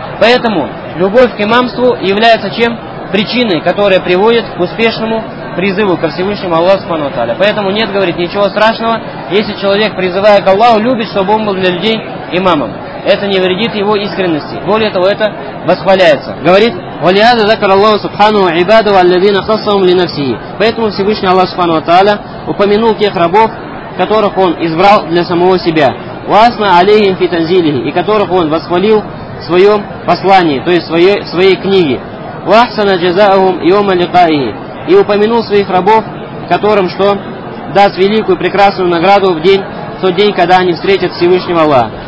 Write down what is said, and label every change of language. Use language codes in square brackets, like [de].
[ru] Поэтому любовь к имамству является чем? Причиной, которая приводит к успешному призыву ко Всевышнему Аллаху. Поэтому нет, говорит, ничего страшного, если человек, призывая к Аллаху, любит, чтобы он был для людей имамом. Это не вредит его искренности. Более того, это восхваляется. Говорит, [ar] وَلِهَذَا ذَكَرَ اللَّهُ سُبْحَانُهُ عِبَادَهُ الَّذِينَ خَصَّهُمْ لِنَفْسِهِ. [ru] Поэтому Всевышний Аллах Субхану Тааля упомянул тех рабов, которых он избрал для самого себя. [ar] وَأَثْنَى عَلَيْهِمْ فِي تَنْزِيلِهِ. [ru] И которых он восхвалил в своем послании, то есть в своей книге. [ar] وَأَحْسَنَ جَزَاءَهُمْ يَوْمَ لِقَائِهِ. [ru] И упомянул своих рабов, которым что? Даст великую прекрасную награду в день, в тот день, когда они встретят Всевышнего Аллаха.